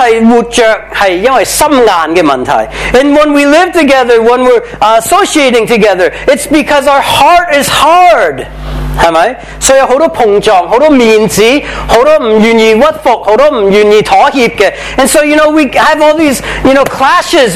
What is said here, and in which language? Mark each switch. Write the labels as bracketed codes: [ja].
[zh] 我们两个人一起生存，一起相处，一起活着，是因为心硬的问题。 [en] And when we live together, when we're associating together, it's because our heart is hard. [zh] 是吗？所以有很多碰撞，很多面子，很多不愿意屈服，很多不愿意妥协的。 [en] And so, you know, we have all these, you know, clashes.